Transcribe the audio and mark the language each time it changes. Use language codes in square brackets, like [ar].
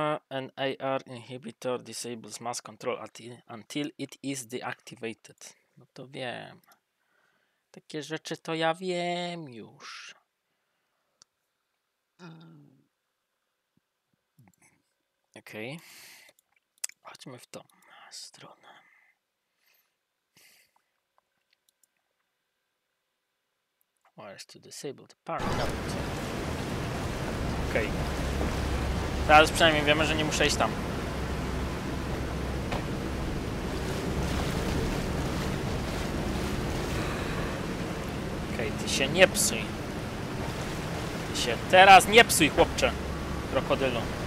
[en] NAR inhibitor disables mass control until it is deactivated. [pl] No to wiem. Takie rzeczy to ja wiem już. Okej. Chodźmy w tą stronę. [en] Wires to disable the power cut. [pl] Okej. Teraz przynajmniej wiemy, że nie muszę iść tam. Okej, ty się nie psuj. Ty się teraz nie psuj, chłopcze. Krokodylu.